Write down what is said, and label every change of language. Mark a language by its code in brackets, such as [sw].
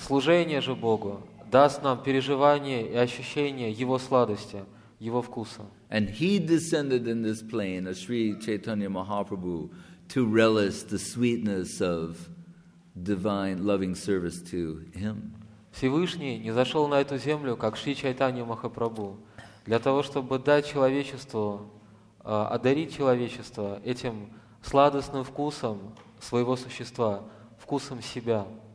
[ru] Служение же Богу даст нам переживание и ощущение его сладости, его вкуса. [en] And he descended in this plane, as Sri Chaitanya Mahaprabhu, to relish the sweetness of divine loving service to him. [ru] Всевышний не зашел на эту землю, как Шри Чайтанья Махапрабху, для того, чтобы дать человечеству, одарить человечество этим сладостным вкусом своего существа, вкусом себя.